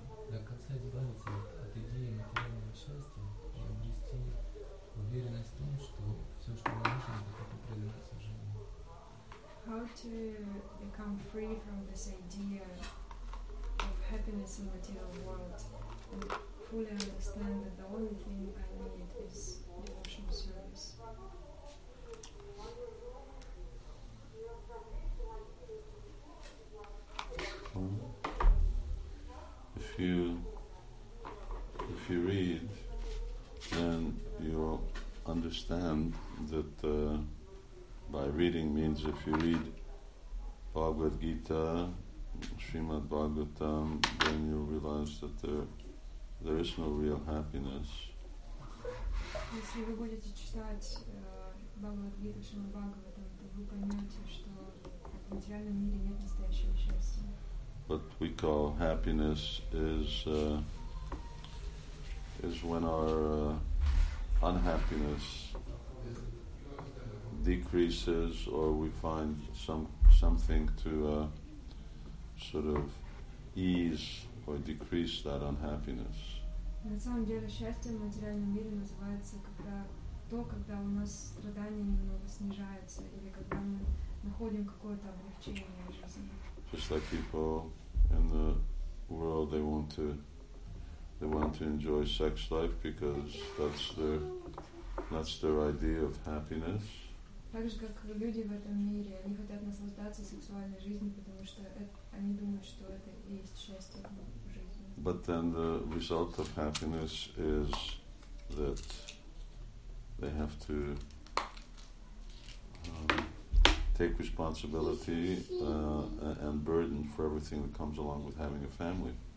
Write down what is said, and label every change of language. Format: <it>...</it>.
<ru>До конца избавиться от идеи материального счастья и обрести уверенность в том, что все, что мы можем, это проявляться в жизни.</ru> <en>How to become free from this idea of happiness in material world and fully understand that the only thing I need is devotional service. If you read, then you'll understand that by reading means if you read Bhagavad Gita, Srimad Bhagavatam, then you'll realize that there is no real happiness.</en> <ru>Если вы будете читать Bhagavad Gita, Srimad Bhagavatam, то вы поймете, что в материальном мире нет настоящего счастья.</ru> <en>What we call happiness is when our unhappiness decreases, or we find something to sort of ease or decrease that unhappiness.</en> <ru>На самом деле счастье в материальном мире называется когда у нас страдания немного снижаются или когда мы находим какое-то облегчение в жизни.</ru> <en>Just like people in the world, they want to enjoy sex life because that's their idea of happiness.</en> <ru>Так же как люди в этом мире, они хотят наслаждаться сексуальной жизнью, потому что они думают, что это и есть счастье в жизни.</ru> <en>But then the result of happiness is that they have to take responsibility and burden for everything that comes along with having a family.</en>